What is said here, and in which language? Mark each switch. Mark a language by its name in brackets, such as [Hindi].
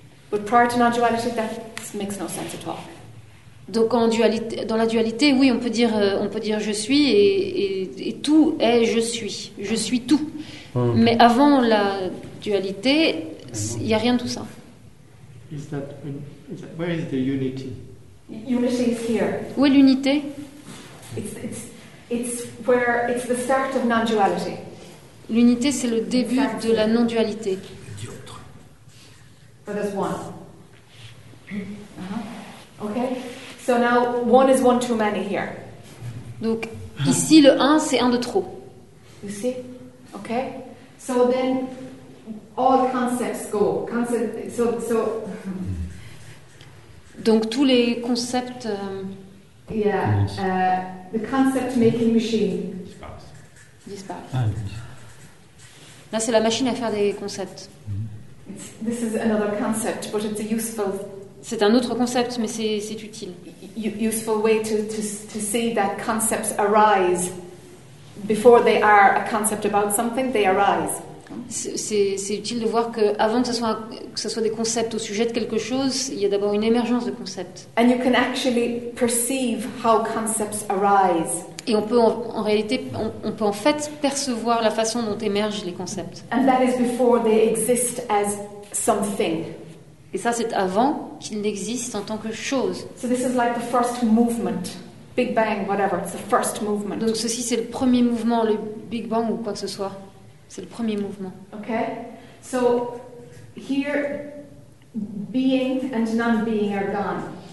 [English] But prior to non-duality, that makes no sense at all. [French] Donc en dualité, dans la dualité, oui, on peut dire je suis et tout est je suis tout. Mm. Mais avant la dualité, il y a rien de tout ça. [English] Where is the unity? Unity is here. [French] Où est l'unité? [English] It's the start of non-duality. [French] L'unité, c'est le début exactly. De la non-dualité. Dieu autre. [English] But there's one. Uh-huh. Okay. So now one is one too many here. [French] Donc ici le 1 c'est un de trop. [English] You see? Okay. So then all concepts go. So [French] donc tous les concepts [English] The concept making machine [French] disparaît. Là c'est la machine à faire des concepts. [English] This is another concept, but it's a useful. [French] C'est un autre concept, mais c'est utile. [English] Useful way to see that concepts arise before they are a concept about something, they arise. [French] C'est utile de voir que avant que ce soit des concepts au sujet de quelque chose, il y a d'abord une émergence de concepts. [English] And you can actually perceive how concepts arise. [French] Et on peut en fait percevoir la façon dont émergent les concepts. [English] And that is before they exist as something. [French] Et ça, c'est avant qu'il n'existe en tant que chose. [English] So this is like the first movement, Big Bang, whatever. It's the first movement. [French] Donc ceci, c'est le premier mouvement, le Big Bang ou quoi que ce soit. C'est le premier mouvement. [English] Okay. So here, being and non-being are gone.